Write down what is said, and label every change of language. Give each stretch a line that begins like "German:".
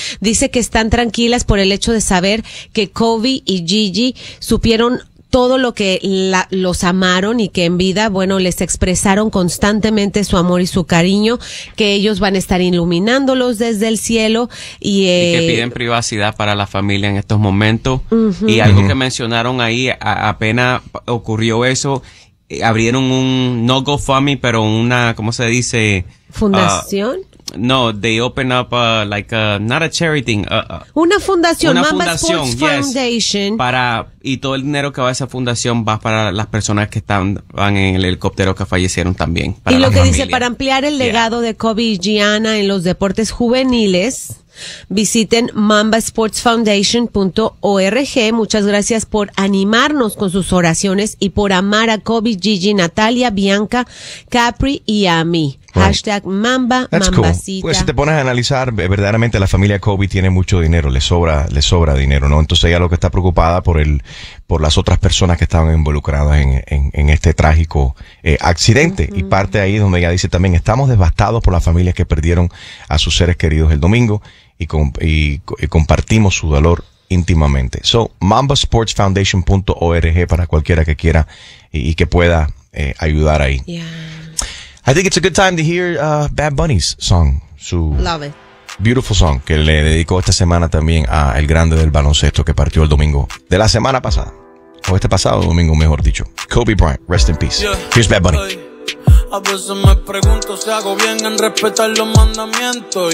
Spanish: Dice que están tranquilas por el hecho de saber que Kobe y Gigi supieron todo lo que los amaron y que en vida, bueno, les expresaron constantemente su amor y su cariño, que ellos van a estar iluminándolos desde el cielo. Y que piden privacidad para la familia en estos momentos. Uh-huh. Y algo que mencionaron ahí, apenas ocurrió eso, abrieron un no GoFundMe, pero una, ¿cómo se dice? Fundación.
English: No, they open up like not a charity thing.
Spanish: Una fundación, Mamba Sports Foundation. Para, y todo el dinero que va a esa fundación va para las personas que están van en el helicóptero que fallecieron también. Para y lo que familia. Dice, para ampliar el legado de Kobe y Gianna en los deportes juveniles, visiten mambasportsfoundation.org. Muchas gracias por animarnos con sus oraciones y por amar a Kobe, Gigi, Natalia, Bianca, Capri y a mí. Hashtag Mamba, Mambacita. Pues si te pones a analizar, verdaderamente la familia Kobe tiene mucho dinero, le sobra dinero, ¿no? Entonces ella lo que está preocupada por las otras personas que estaban involucradas en este trágico accidente. Uh-huh. Y parte ahí donde ella dice también, estamos devastados por las familias que perdieron a sus seres queridos el domingo y compartimos su dolor íntimamente. So, mambasportsfoundation.org para cualquiera que quiera y que pueda ayudar ahí. Yeah.
English: I think it's a good time to hear Bad Bunny's song. Su Love it. Beautiful song
Spanish: que le dedicó esta semana también a el grande del baloncesto que partió el domingo de la semana pasada. O este pasado domingo, mejor dicho. Kobe Bryant,
English: rest in peace. Yeah. Here's
Spanish: Bad Bunny. A veces me pregunto si hago bien en respetar los mandamientos.